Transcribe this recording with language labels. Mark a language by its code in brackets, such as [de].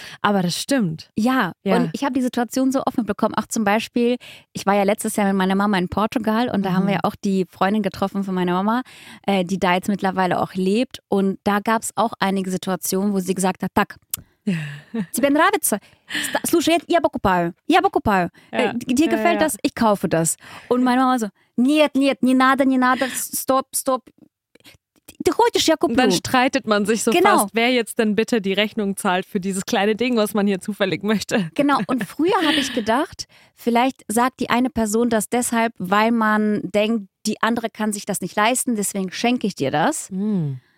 [de] Aber das stimmt. Ja, und ich habe die Situation so oft mitbekommen. Auch zum Beispiel, ich war ja letztes Jahr mit meiner Mama in Portugal. Und da haben wir ja auch die Freundin getroffen von meiner Mama, die da jetzt mittlerweile auch lebt. Und da gab es auch einige Situationen, wo sie gesagt hat, [ru] tak, тебе нравится? Слушай, я покупаю, я покупаю. [de] Dir gefällt das? Ich kaufe das. Und meine Mama so, [ru] нет, нет, не надо, не надо, стоп, стоп. Ты хочешь, я куплю. [de] Dann streitet man sich so fast, wer jetzt denn bitte die Rechnung zahlt für dieses kleine Ding, was man hier zufällig möchte. Genau, und früher habe ich gedacht, vielleicht sagt die eine Person das deshalb, weil man denkt, die andere kann sich das nicht leisten, deswegen schenke ich dir das. Mm.